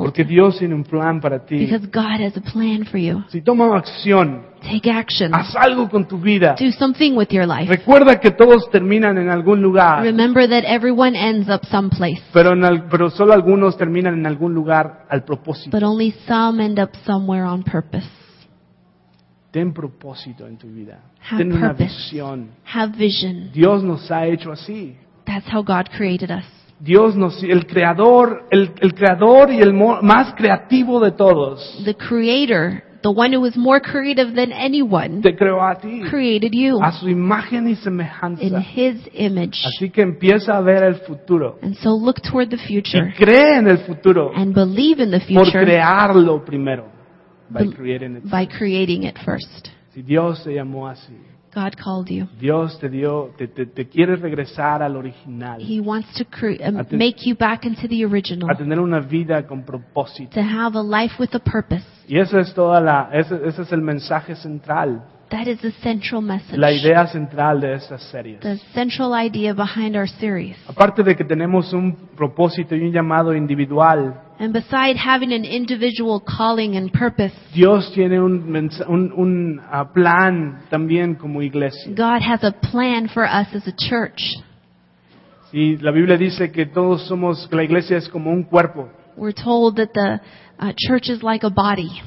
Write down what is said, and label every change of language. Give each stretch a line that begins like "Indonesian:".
Spanish: Porque Dios tiene un plan para ti.
English: Because God has a plan for you.
Spanish: Si toma acción.
English: Take action.
Spanish: Haz algo con tu vida.
English: Do something with your life.
Spanish: Recuerda que todos terminan en algún lugar.
English: Remember that everyone ends up someplace.
Spanish: Pero solo algunos terminan en algún lugar al propósito.
English: But only some end up somewhere on purpose.
Spanish: Ten propósito en tu vida.
English: Have
Spanish: Ten
English: purpose.
Spanish: Una visión.
English: Have vision.
Spanish: Dios nos ha hecho así.
English: That's how God created us.
Spanish: Dios nos, el creador y el más creativo de todos.
English: The creator, the one who is more creative than anyone.
Spanish: Te creó a ti.
English: Created you.
Spanish: A su imagen y semejanza.
English: In his image.
Spanish: Así que empieza a ver el futuro.
English: And so look toward the future.
Spanish: Y cree en el futuro.
English: And believe in the future.
Spanish: Por crearlo primero.
English: By creating it first.
Spanish: Si Dios se llamó así.
English: God called you.
Spanish: Dios te dio, te quiere regresar al original.
English: He wants to make you back into the original.
Spanish: A tener una vida con propósito.
English: To have a life with a purpose.
Spanish: Y eso es toda la, ese es el mensaje central.
English: That is the central message.
Spanish: La idea central de esas series.
English: The central idea behind our series.
Spanish: Aparte de que tenemos un propósito y un llamado individual.
English: And beside having an individual calling and purpose,
Spanish: Dios tiene un plan también como iglesia.
English: God has a plan for us as a church.
Spanish: Sí, la Biblia dice que todos somos, la iglesia es como un cuerpo.
English: We're told that the church is like a body.